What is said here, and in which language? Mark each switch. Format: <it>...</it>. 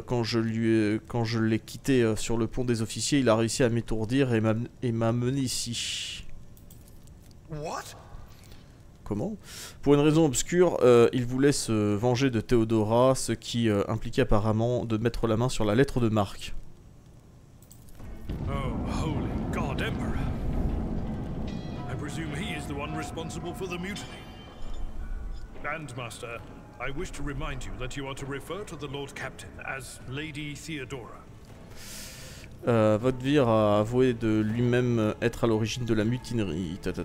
<fr>Quand je l'ai quitté sur le pont des officiers, il a réussi à m'étourdir et m'a mené ici.</fr> <en>What?</en> <fr>Comment? Pour une raison obscure, il voulait se venger de Théodora, ce qui impliquait apparemment de mettre la main sur la lettre de marque.</fr> <en>Oh, holy God, Emperor! I presume he is the one responsible for the mutiny. Grandmaster, I wish to remind you that you are to refer to the Lord Captain as Lady Theodora.</en> <fr>Vodvir a avoué de lui-même être à l'origine de la mutinerie.</fr>